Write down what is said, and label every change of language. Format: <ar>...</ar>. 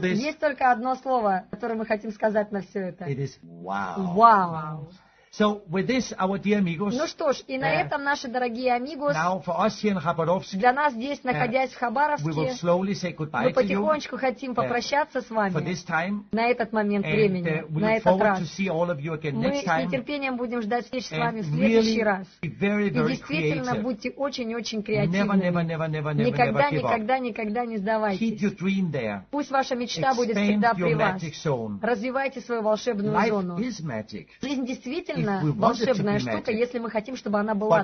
<ru>Есть только одно слово, которое мы хотим сказать на все это.</ru> <en>It is wow. Wow. So with this, our dear amigos.</en> <ru>Ну что ж, и на этом наши дорогие amigos.</ru> <en>Now for us here in Khabarovsk.</en> <ru>Для нас здесь, находясь в Хабаровске.</ru> <en>We will slowly say goodbye to you.</en> <ru>Мы потихонечку хотим попрощаться с вами.</ru> <en>For this time.</en> <ru>На этот момент времени.</ru> <en>And we look forward to see all of you again next time.</en> <ru>Мы с нетерпением будем ждать встречи с вами в следующий раз.</ru> <en>And really, very, very creative.</en> <ru>И действительно, будьте очень-очень креативными.</ru> <en>Never, never, never, never, never,</en> <ru>никогда, никогда, никогда не сдавайтесь.</ru> <en>Keep your dream there.</en> <ru>Пусть ваша мечта будет всегда при вас. Развивайте свою волшебную зону.</ru> <en>Life is magic.</en> <ru>Жизнь действительно волшебная штука, если мы хотим, чтобы она была</ru>